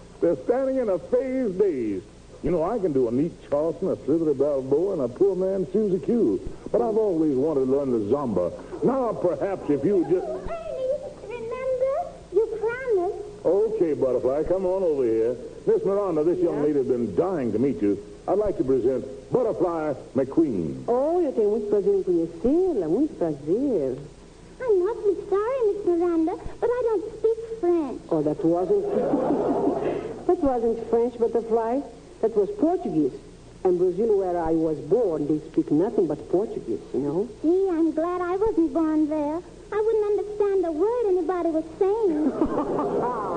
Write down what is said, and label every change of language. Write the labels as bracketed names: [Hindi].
[English] They're standing in a phase daze. You know, I can do a neat Charleston, a slithery balboa, and a poor man choose a cue. But I've always wanted to learn the zomba. Now, perhaps, if you just... Ernie, remember? You promised. Okay, Butterfly, come on over here. Miss Miranda, this young lady has been dying to meet you. I'd like to present Butterfly McQueen. [Portuguese] Oh, eu tenho muito prazer em conhecê-la, muito prazer. [English] I'm awfully sorry, Miss Miranda, but I don't speak French. Oh, that wasn't... that wasn't French, Butterfly. That was Portuguese. And Brazil, where I was born, they speak nothing but Portuguese, you know? Gee, I'm glad I wasn't born there. I wouldn't understand a word anybody was saying.